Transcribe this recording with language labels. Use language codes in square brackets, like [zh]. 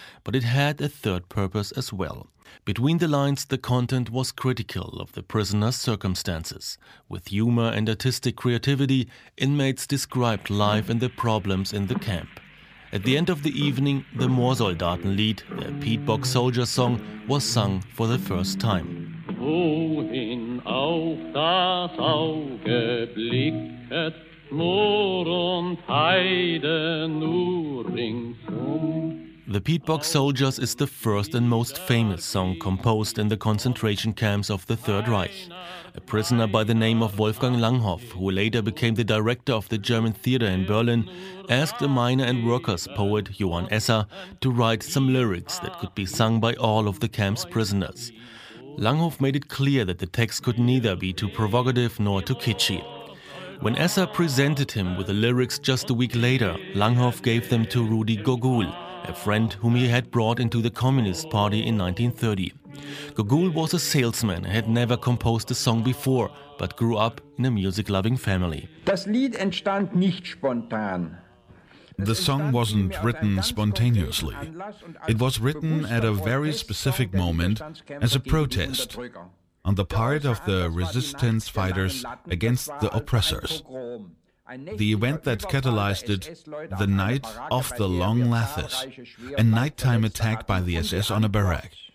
[en] But it had a third purpose as well. Between the lines, the content was critical of the prisoners' circumstances. With humor and artistic creativity, inmates described life and the problems in the camp. At the end of the evening, the Moorsoldatenlied, the Pete Bock soldier song, was sung for the first time. [de] Wohin auch das Auge blicket, Moor und Heide nur ringsum. [en] The Pete Bock Soldiers is the first and most famous song composed in the concentration camps of the Third Reich. A prisoner by the name of Wolfgang Langhoff, who later became the director of the German theater in Berlin, asked the miner and workers' poet Johann Esser to write some lyrics that could be sung by all of the camp's prisoners. Langhoff made it clear that the text could neither be too provocative nor too kitschy. When Esser presented him with the lyrics just a week later, Langhoff gave them to Rudi Gogol, a friend whom he had brought into the Communist Party in 1930. Gogol was a salesman and had never composed a song before, but grew up in a music-loving family. [de] Das Lied entstand nicht spontan. [en] The song wasn't written spontaneously. It was written at a very specific moment as a protest on the part of the resistance fighters against the oppressors. The event that catalyzed it, the night of the Long Lathis, a nighttime attack by the SS on a barrack.